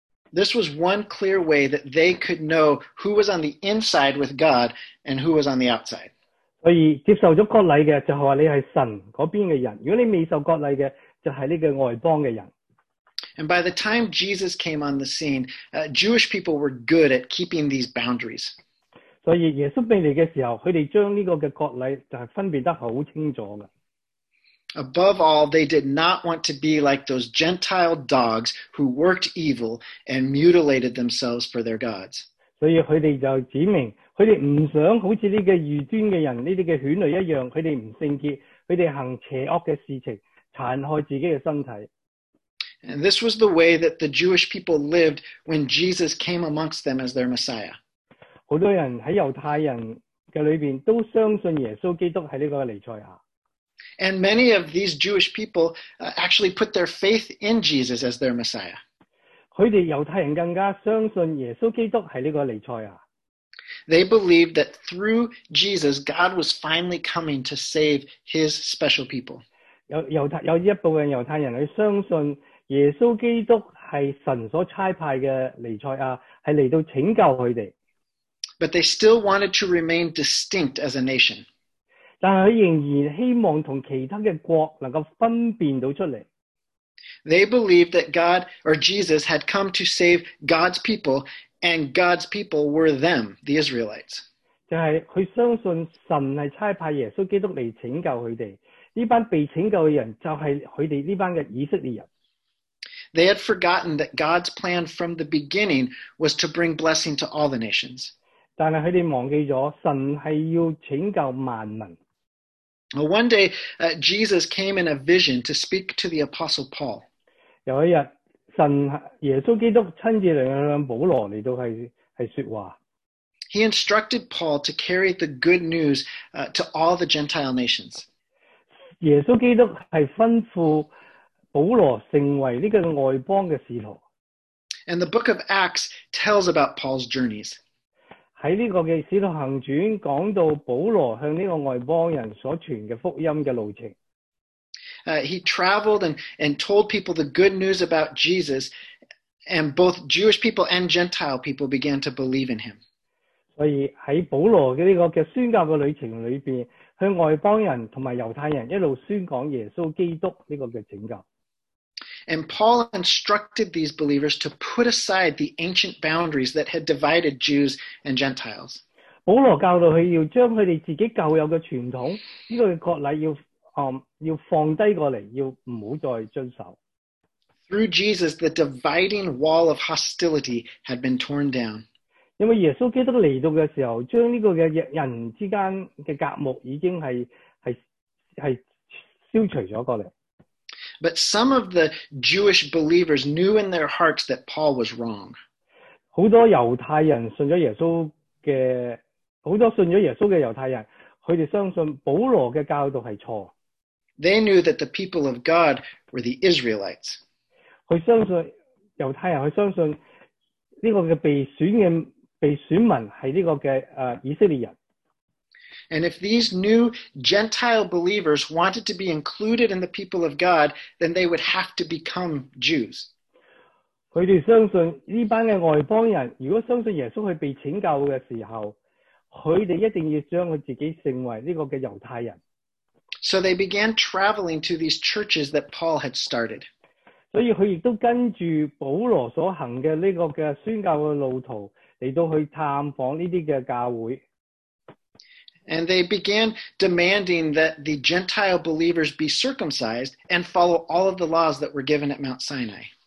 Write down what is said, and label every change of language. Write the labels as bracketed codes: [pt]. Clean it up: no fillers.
[en] This was one clear way that they could know who was on the inside with God and who was on the outside. [zh] 所以接受了割礼的就是说你是神那边的人，如果你未受割礼的就是这个外邦的人。 [en] And by the time Jesus came on the scene, Jewish people were good at keeping these boundaries. [zh] 所以耶稣未来的时候，他们将这个割礼就是分辨得很清楚的。 [en] Above all, they did not want to be like those Gentile dogs who worked evil and mutilated themselves for their gods. [zh] 所以他们就指明，他们不想好像这个异端的人，这些犬类一样，他们不圣洁，他们行邪恶的事情，残害自己的身体。 [en] And this was the way that the Jewish people lived when Jesus came amongst them as their Messiah. [zh] 很多人在犹太人的里面都相信耶稣基督是这个弥赛亚。 [en] And many of these Jewish people actually put their faith in Jesus as their Messiah. [zh] 他们犹太人更加相信耶稣基督是这个弥赛亚。 [en] They believed that through Jesus, God was finally coming to save his special people. [zh] 有一部分犹太人相信耶稣基督是神所差派的弥赛亚，是来到拯救他们。 [en] But they still wanted to remain distinct as a nation. [zh] 但他仍然希望和其他的国能够分辨到出来。 [en] They believed that God or Jesus had come to save God's people, and God's people were them, the Israelites. [zh] 就是他相信神是差派耶稣基督来拯救他们，这班被拯救的人就是他们这班的以色列人。 [en] They had forgotten that God's plan from the beginning was to bring blessing to all the nations. [zh] 但是他们忘记了神是要拯救万民。 [en] Well, one day, Jesus came in a vision to speak to the Apostle Paul. [zh] 有一天，神耶稣基督亲自来向保罗来到是说话。 [en] He instructed Paul to carry the good news to all the Gentile nations. [zh] 耶稣基督是吩咐保罗成为这个外邦的使徒。 [en] And the book of Acts tells about Paul's journeys. [zh] 在这个的使徒行传讲到保罗向这个外邦人所传的福音的路程。 [en] He traveled and told people the good news about Jesus, and both Jewish people and Gentile people began to believe in him. [zh] 所以在保罗的这个的宣教的旅程里面，向外邦人和犹太人一路宣讲耶稣基督这个的拯救。 [en] And Paul instructed these believers to put aside the ancient boundaries that had divided Jews and Gentiles. [zh] 保罗教导他要将他们自己旧有的传统，这个国礼 要放低过来，要不要再遵守。 [en] Through Jesus, the dividing wall of hostility had been torn down. [zh] 因为耶稣基督来到的时候，将这个人之间的隔膜已经 是消除了过来。 [en] But some of the Jewish believers knew in their hearts that Paul was wrong. [zh] 很多犹太人信了耶稣的，很多信了耶稣的犹太人，他们相信保罗的教导是错。 [en] They knew that the people of God were the Israelites. [zh] 他相信犹太人，他相信这个被选民是这个的以色列人。 [en] And if these new Gentile believers wanted to be included in the people of God, then they would have to become Jews. [zh] 他们相信这班的外邦人，如果相信耶稣去被拯救的时候，他们一定要将他自己成为这个的犹太人。 [en] So they began traveling to these churches that Paul had started. [zh] 所以他也都跟着保罗所行的这个的宣教的路途，来到去探访这些的教会。 [en] And they began demanding that the Gentile believers be circumcised and follow all of the laws that were given at Mount Sinai.